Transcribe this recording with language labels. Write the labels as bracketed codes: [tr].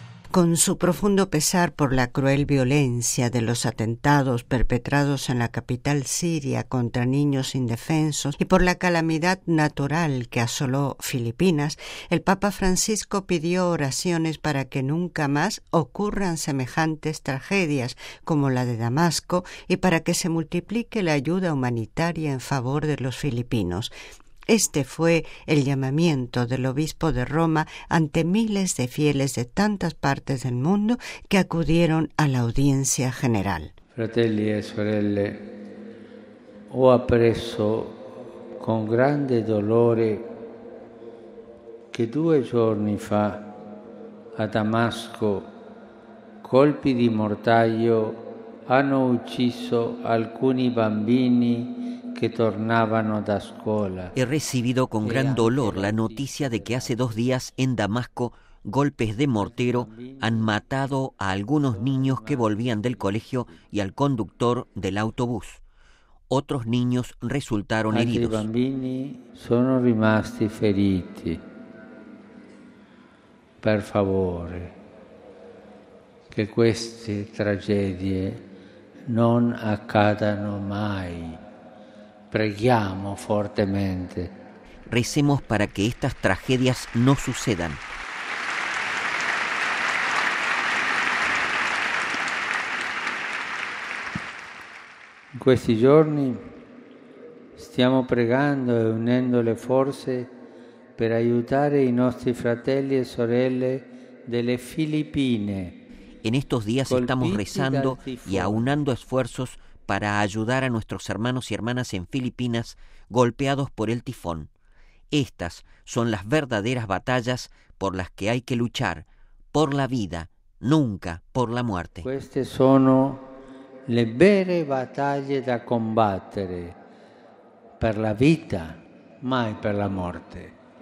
[es] Con su profundo pesar por la cruel violencia de los atentados perpetrados en la capital siria contra niños indefensos y por la calamidad natural que asoló Filipinas, el Papa Francisco pidió oraciones para que nunca más ocurran semejantes tragedias como la de Damasco y para que se multiplique la ayuda humanitaria en favor de los filipinos. Este fue el llamamiento del obispo de Roma ante miles de fieles de tantas partes del mundo que acudieron a la audiencia general. [it] Fratelli e sorelle, ho appreso con grande dolore che due giorni fa a Damasco colpi di mortaio hanno ucciso alcuni bambini [es] que tornaban a escuela. He recibido con gran dolor la noticia de que hace dos días en Damasco golpes de mortero han matado a algunos niños que volvían del colegio y al conductor del autobús. Otros niños resultaron heridos. [it] Altri bambini sono rimasti feriti. Per favore, che queste tragedie non accadano mai. Preghiamo fortemente. [es] Recemos para que estas tragedias no sucedan. [it] In questi giorni stiamo pregando e unendo le forze per aiutare i nostri fratelli e sorelle delle Filipine. [es] En estos días estamos rezando y aunando esfuerzos para ayudar a nuestros hermanos y hermanas en Filipinas golpeados por el tifón. Estas son las verdaderas batallas por las que hay que luchar, por la vida, nunca por la muerte. [it] Queste sono le vere battaglie da combattere per la vita, mai per la morte.